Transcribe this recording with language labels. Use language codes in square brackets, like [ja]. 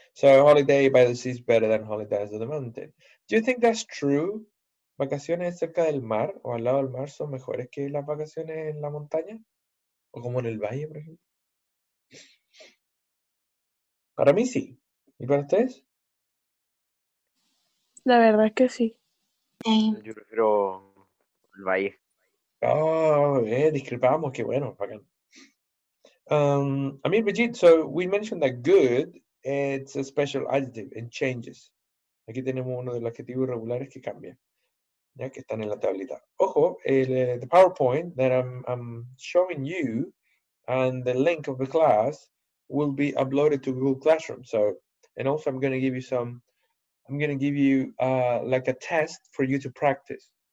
[en] So holiday by the sea is better than holidays of the mountain. Do you think that's true? [es] Vacaciones cerca del mar o al lado del mar son mejores que las vacaciones en la montaña? O como en el valle, por ejemplo. Para mí sí. ¿Y para ustedes? La verdad es que sí. Yo prefiero el valle. Disculpamos, qué bueno, bacán. [en] I mean, Brigitte, so we mentioned that good, it's a special adjective and changes. [es] Aquí tenemos uno de los adjetivos regulares que cambia, ya que están en la tablita. [en] Ojo, the PowerPoint that I'm showing you and the link of the class will be uploaded to Google Classroom. So, and also I'm going to give you like a test for you to practice.